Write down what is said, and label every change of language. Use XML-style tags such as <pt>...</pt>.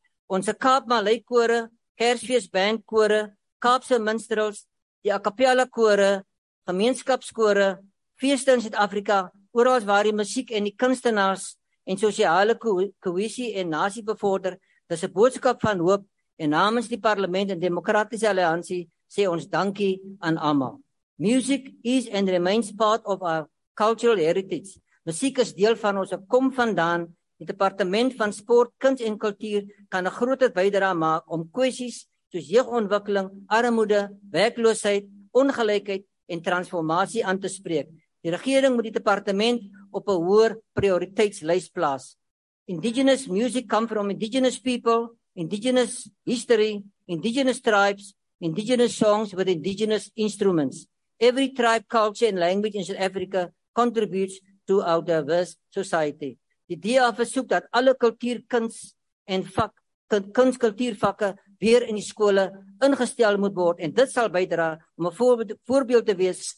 <af>Onse Kaap Malay Kore, Kersfees Band Kore, Kaapse Minstrels, die A Cappella Kore, Gemeenskapskore, Feeste in Suid-Afrika, oral waar die musiek en die kunstenaars en sosiale kohesie en nasie bevorder, dis 'n boodskap van hoop en namens die parlement en demokratiese alliansie sê ons dankie aan almal.</af> <en>Music is and remains part of our cultural heritage.</en> <af>Musiek is deel van ons, kom vandaan. Die departement van sport, kuns en kultuur kan 'n groot bydrae maak om kwessies soos jeugontwikkeling, armoede, werkloosheid, ongelykheid en transformasie aan te spreek. Die regering moet die departement op 'n hoër prioriteitslys plaas.</af> <en>Indigenous music come from indigenous people, indigenous history, indigenous tribes, indigenous songs with indigenous instruments. Every tribe, culture and language in South Africa contributes to our diverse society.</en> <af>Die DA versoek dat alle kultuur, kuns en vak, kuns kultuurvakke weer in die skole ingestel moet word en dit sal bydra om 'n voorbeeld te wees</af>